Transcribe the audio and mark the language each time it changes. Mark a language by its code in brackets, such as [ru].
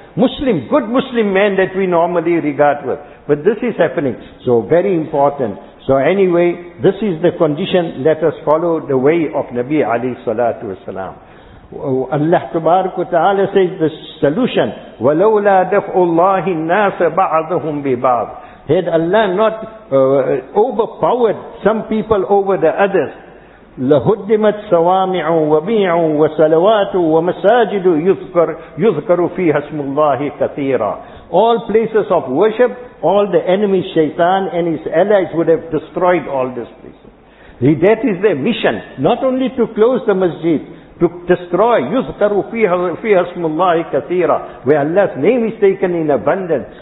[en] Muslim, good Muslim man that we normally regard with. But this is happening. So very important. So anyway, this is the condition. Let us follow the way of Nabi Ali Salatu Wasalam. Allah Tabarak wa Ta'ala says the solution. [ar] وَلَوْلَا دَفْءُ اللَّهِ النَّاسَ بَعْضُهُمْ بِبَعْضٍ. [en] Had Allah not overpowered some people over the others, [ar] لَهُدِّمَتْ صَوَامِعُ وَبِيعُ وَسَلَوَاتُ وَمَسَاجِدُ يُذْكَرُ فِيهَ اسْمُ اللَّهِ كَثِيرًا. [en] All places of worship, all the enemy shaitan and his allies would have destroyed all these places. That is their mission, not only to close the masjid, to destroy, [ar] يُذْكَرُ فِيهَ اسْمُ اللَّهِ كَثِيرًا, [en] where Allah's name is taken in abundance.